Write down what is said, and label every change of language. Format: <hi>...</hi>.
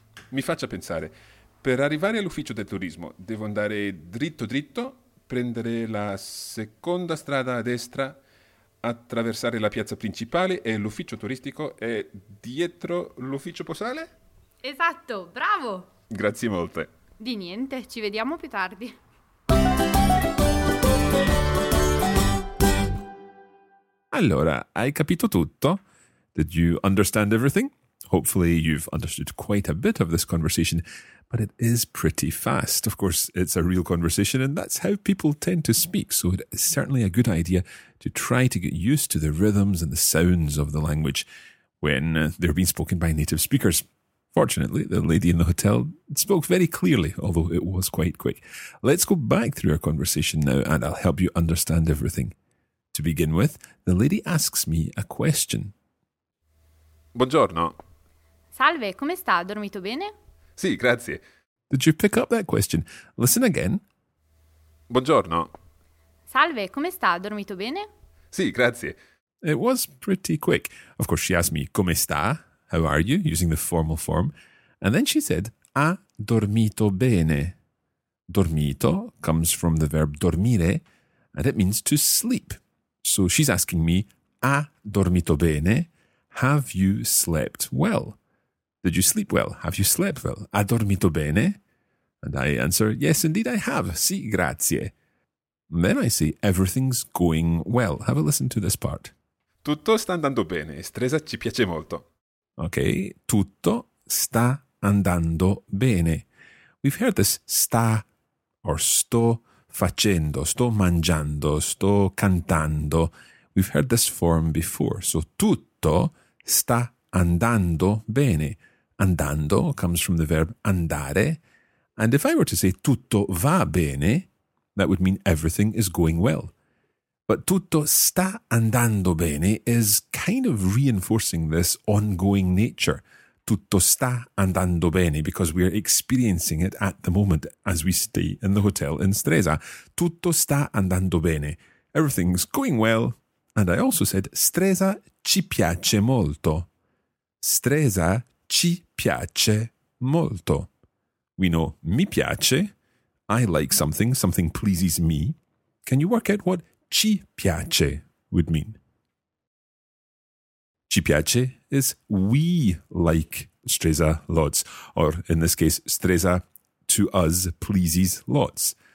<it>Mi faccia pensare, per arrivare all'ufficio del turismo devo andare dritto dritto, prendere la seconda strada a destra, attraversare la piazza principale e l'ufficio turistico è dietro l'ufficio postale? Esatto, bravo! Grazie molte. Di niente, ci vediamo più tardi. Allora, hai capito tutto?</it> <en>Did you understand everything? Hopefully you've understood quite a bit of this conversation, but it is pretty fast. Of course, it's a real conversation and that's how people tend to speak, so it is certainly a good idea to try to get used to the rhythms and the sounds of the language when they're being spoken by native speakers. Fortunately, the lady in the hotel spoke very clearly, although it was quite quick. Let's go back through our conversation now and I'll help you understand everything. To begin with, the lady asks me a question.</en> <it>Buongiorno. Salve, come sta? Ha dormito bene? Sì, grazie.</it> <en>Did you pick up that question? Listen again.</en> <it>Buongiorno. Salve, come sta? Ha dormito bene? Sì, grazie.</it> <en>It was pretty quick. Of course, she asked me,</en> <it>come sta?</it> <en>How are you? Using the formal form. And then she said,</en> <it>ha dormito bene.</it> <en>Dormito comes from the verb dormire, and it means to sleep. So she's asking me,</en> <it>ha dormito bene?</it> <en>Have you slept well? Did you sleep well? Have you slept well?</en> <it>Ha dormito bene?</it> <en>And I answer, yes, indeed I have.</en> <it>Sì, grazie.</it> <en>And then I say, everything's going well. Have a listen to this part.</en> <it>Tutto sta andando bene. Stresa ci piace molto. Okay, tutto sta andando bene.</it> <en>We've heard this sta or</en> <it>sto facendo, sto mangiando, sto cantando.</it> <en>We've heard this form before.</en> <it>So tutto sta andando bene.</it> <en>Andando comes from the verb andare. And if I were to say</en> <it>tutto va bene,</it> <en>that would mean everything is going well. But</en> <it>tutto sta andando bene</it> <en>is kind of reinforcing this ongoing nature.</en> <it>Tutto sta andando bene,</it> <en>because we are experiencing it at the moment as we stay in the hotel in Stresa.</en> <it>Tutto sta andando bene.</it> <en>Everything's going well. And I also said,</en> <it>Stresa ci piace molto. Stresa ci piace molto.</it> <en>We know,</en> <it>mi piace,</it> <en>I like something, something pleases me. Can you work out what</en> <it>ci piace</it> <en>would mean?</en> <it>Ci piace</it> <en>is we like Stresa lots, or in this case, Stresa to us pleases lots.</en>